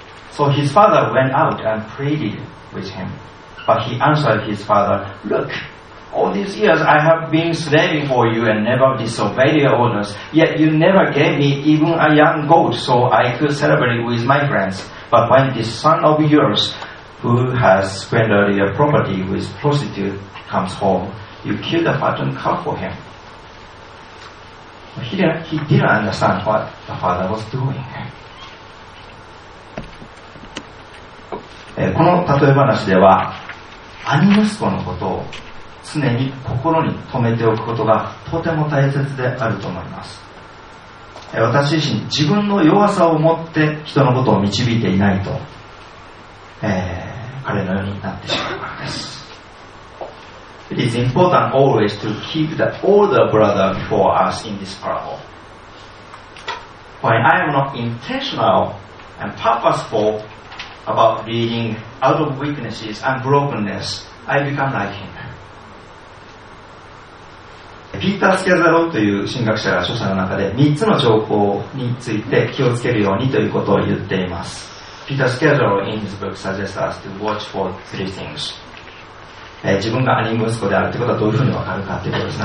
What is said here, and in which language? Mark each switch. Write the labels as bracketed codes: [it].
[en] So his father went out and pleaded with him. But he answered his father, "Look, all these years I have been slaving for you and never disobeyed your orders, yet you never gave me even a young goat so I could celebrate with my friends. But when this son of yours, who has squandered your property with prostitute, comes home, you kill the fattened calf for him." He didn't understand what the father was doing. [ja] この例え話では、兄息子のことを常に心に留めておくことがとても大切であると思います。私自身、自分の弱さを持って人のことを導いていないと、彼のようになってしまうからです。 [en] It is important always to keep the older brother before us in this parable. When I am not intentional and purposeful about reading out of weaknesses and brokenness, I become like him. [ja] ピーター・スキャザローという神学者が著者の中で3つの兆候について気をつけるようにということを言っています。 [en] ピーター・スキャザロー in his book suggests us to watch for three things. [ja] 自分が兄息子であるということはどういうふうにわかるかということですね。